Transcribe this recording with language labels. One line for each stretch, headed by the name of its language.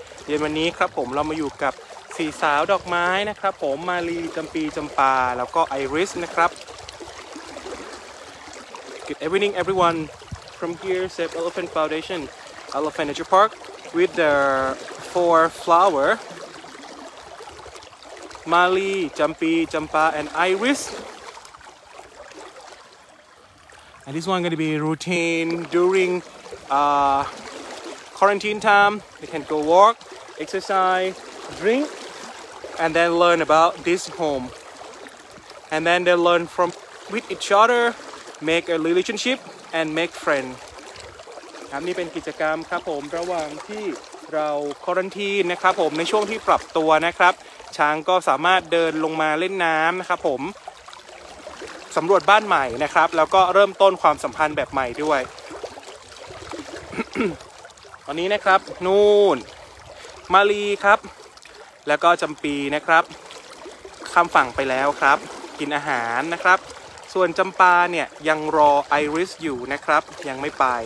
Thai: เย็นวันนี้ครับผมเรามาอยู่กับสี่สาวดอกไม้นะครับผมมาลีจำปีจำปาแล้วก็ไอริสนะครับ
English: Good evening everyone from here Save Elephant Foundation Elephant Nature Park with the four flower มาลีจำปีจำปา and ไอริสAnd this one going to be routine during quarantine time. They can go walk, exercise, drink, and then learn about this home. And then they learn from with each other, make a relationship, and make friends.
Thai: ครับนี่เป็นกิจกรรมครับผมระหว่างที่เราควอรันทีนนะครับผมในช่วงที่ปรับตัวนะครับช้างก็สามารถเดินลงมาเล่นน้ำนะครับผมสำรวจบ้านใหม่นะครับแล้วก็เริ่มต้นความสัมพันธ์แบบใหม่ด้วย ตอนนี้นะครับนูนมาลีครับแล้วก็จำปีนะครับข้ามฝั่งไปแล้วครับกินอาหารนะครับส่วนจำปาเนี่ยยังรอไอริสอยู่นะครับยังไม่ไป